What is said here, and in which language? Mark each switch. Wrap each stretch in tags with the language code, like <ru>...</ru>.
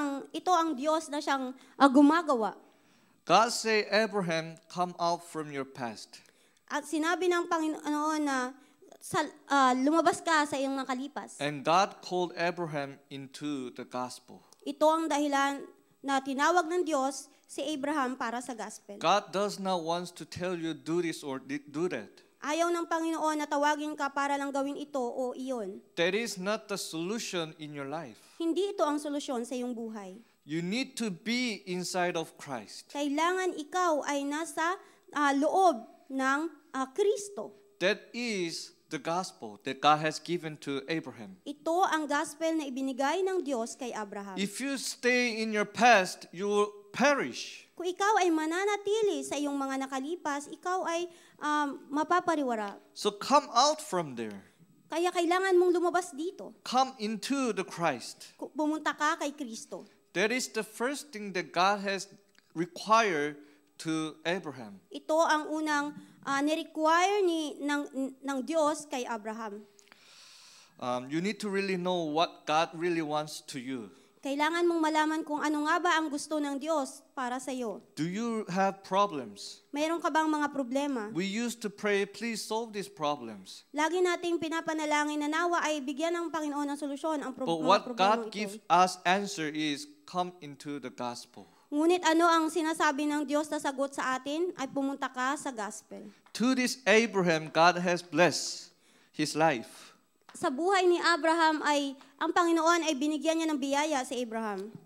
<tl>Ito ang Diyos na siyang gumagawa.</tl> <en>God say, "Abraham, come out from your past."</en> <tl>At sinabi ng Panginoon na lumabas ka sa iyong nakalipas.</tl> <en>And God called Abraham into the gospel.</en> <tl>Ito ang dahilan na tinawag ng Diyos si Abraham para sa gospel.</tl> <en>God does not want to tell you do this or do that.</en> <tl>Ayaw ng Panginoon na tawagin ka para lang gawin ito o iyon.</tl> <en>That is not the solution in your life.</en> <tl>Hindi ito ang solusyon sa iyong buhay.</tl> <en>You need to be inside of Christ.</en> <tl>Kailangan ikaw ay nasa loob ng Kristo.</tl> <en>That is the gospel that God has given to Abraham.</en> <tl>Ito ang gospel na ibinigay ng Diyos kay Abraham.</tl> <en>If you stay in your past, you will perish.</en> <tl>Kung ikaw ay mananatili sa iyong mga nakalipas, ikaw ay mapapariwara.</tl> <en>So come out from there.</en> <tl>Kaya kailangan mong lumabas dito.</tl> <en>Come into the Christ.</en> <tl>Bumunta ka kay Kristo.</tl> <en>That is the first thing that God has required to Abraham.</en> <tl>Ito ang unang ni-require ng Diyos kay Abraham.</tl> <en>You need to really know what God really wants to you.</en> <tl>Kailangan mong malaman kung ano nga ba ang gusto ng Diyos para sa iyo.</tl> <en>Do you have problems?</en> <tl>Mayroon ka bang mga problema?</tl> <en>We used to pray, "Please solve these problems."</en> <tl>Lagi nating pinapanalangin na nawa ay bigyan ng Panginoon ng solusyon ang problema.</tl> <en>But what God gives us answer is, come into the gospel.</en> <tl>Ngunit ano ang sinasabi ng Diyos na sagot sa atin ay pumunta ka sa gospel.</tl> <en>To this Abraham, God has blessed his life.</en> <tl>Sa buhay ni Abraham ay ang Panginoon ay binigyan niya ng biyaya sa Abraham.</tl>